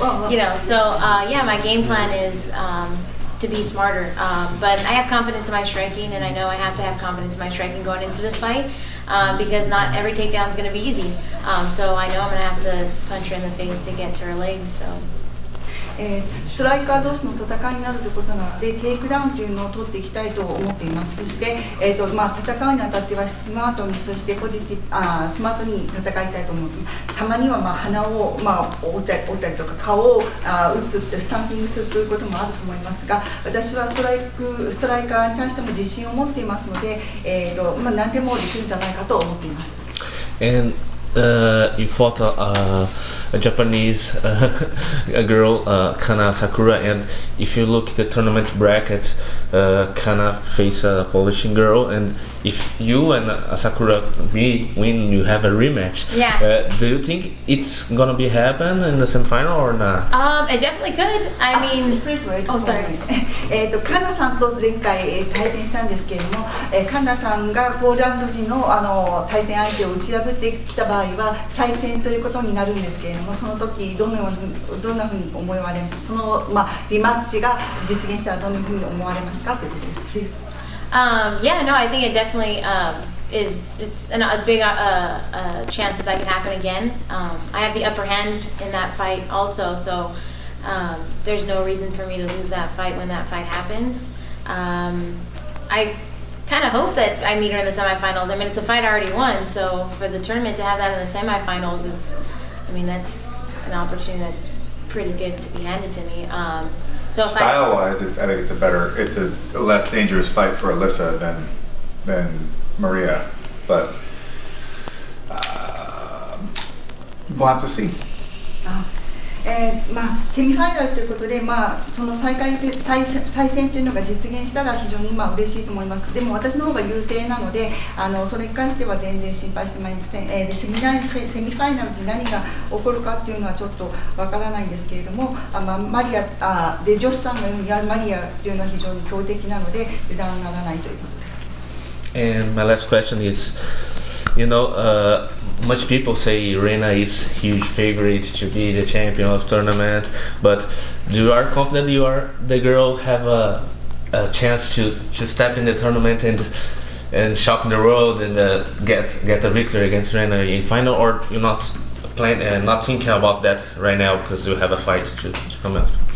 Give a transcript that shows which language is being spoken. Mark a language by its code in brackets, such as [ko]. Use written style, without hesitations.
[en] You know, so my game plan is to be smarter. But I have confidence in my striking, and I know I have to have confidence in my striking going into this fight. Because not every takedown is going to be easy. So I know I'm going to have to punch her in the face to get to her legs. So. [ja] ストライカー同士の戦いになるということなので、テイクダウンというのを取っていきたいと思っています。そして、戦うにあたってはスマートに、そしてスマートに戦いたいと思っています。たまには鼻を、折ったりとか顔を打つってスタンピングするということもあると思いますが、私はストライカーに対しても自信を持っていますので、何でもできるんじゃないかと思っています。 [en] You fought a Japanese a girl, Kana Sakura, and if you look at the tournament brackets, Kana faced a Polish girl, and if you and Sakura win, you have a rematch. Yeah. Do you think it's gonna be happen in the semifinal or not? It definitely could. I mean, please wait. Oh, sorry. [ja] Kana さんと前回対戦したんですけれども、Kana さんがポーランド人の対戦相手を打ち破ってきた場合は再戦ということになるんですけれども、その時どんなふうに思われます？その、リマッチが実現したらどんなふうに思われますかということです。 [en] I think it definitely is a big chance that can happen again. I have the upper hand in that fight also, so there's no reason for me to lose that fight when that fight happens. I kind of hope that I meet her in the semifinals. I mean, it's a fight I already won, so for the tournament to have that in the semifinals is, that's an opportunity that's pretty good to be handed to me. Style-wise, I think it's a less dangerous fight for Alyssa than Maria, but we'll have to see. [ja] セミファイナルということで、その再戦というのが実現したら非常に嬉しいと思います。でも私の方が優勢なので、それに関しては全然心配してまいりません。セミファイナルで何が起こるかというのはちょっとわからないんですけれども、マリアでジョシさんのようにマリアというのは非常に強敵なので、油断ならないということです。 [en] And my last question is, much people say Rena is huge favorite to be the champion of tournament, but do you are confident you are the girl have a chance to step in the tournament and shock the world and get a victory against Rena in final, or you're not planning and not thinking about that right now because you have a fight to come up?